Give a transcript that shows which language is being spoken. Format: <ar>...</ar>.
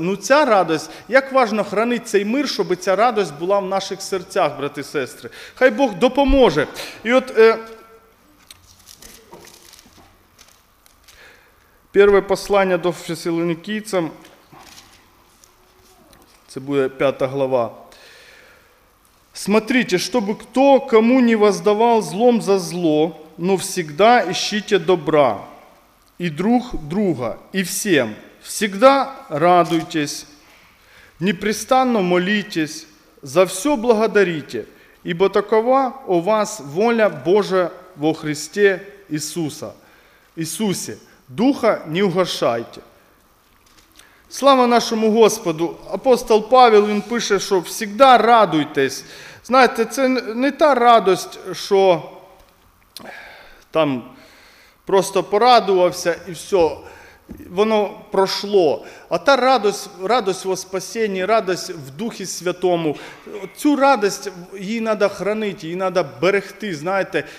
<uk>Ну ця радість, як важно хранити цей мир, щоб ця радість була в наших серцях, брати і сестри. Хай Бог допоможе. І от, 1 послання до Фесалонікійцям, це буде 5 глава.</uk> <ru>«Смотрите, чтобы кто кому не воздавал злом за зло, но всегда ищите добра, и друг друга, и всем. Всегда радуйтесь, непрестанно молитесь, за все благодарите, ибо такова у вас воля Божия во Христе Иисуса. Иисусе, духа не угашайте. Слава нашему Господу!</ru> <uk>Апостол Павел, він пише, що</uk> <ru>всегда радуйтесь.</ru> <uk>Знаєте, це не та радость, що там просто порадувався і все, воно пройшло. А та радость, радость во спасенні, радость в Духі Святому, цю радость її треба хранити, її треба берегти, знаєте.</uk>